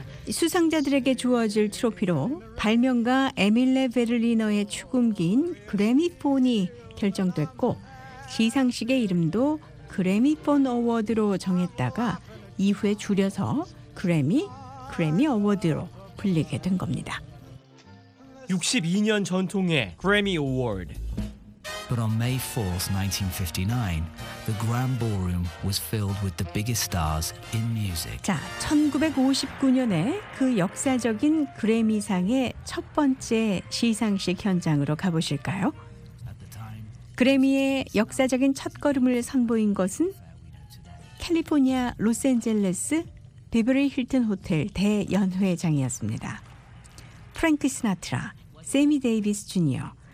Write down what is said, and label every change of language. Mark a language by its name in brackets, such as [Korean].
[Korean] 수상자들에게 주어질 트로피로 발명가 에밀레 베를리너의 축음기인 그래미폰이 결정됐고 시상식의 이름도 그래미폰 어워드로 정했다가 이후에 줄여서 그래미 어워드로 불리게 된 겁니다. 62년 전통의 그래미 어워드. [English] But on May 4th, 1959, the Grand Ballroom was filled with the biggest stars in music. [Korean] 자, 1959년에 그 역사적인 그래미상의 첫 번째 시상식 현장으로 가보실까요? 그래미의 역사적인 첫 걸음을 선보인 것은 캘리포니아 로스앤젤레스 비버리 힐튼 호텔 대연회장이었습니다. 프랭크 시나트라, 세미 데이비스 주니어,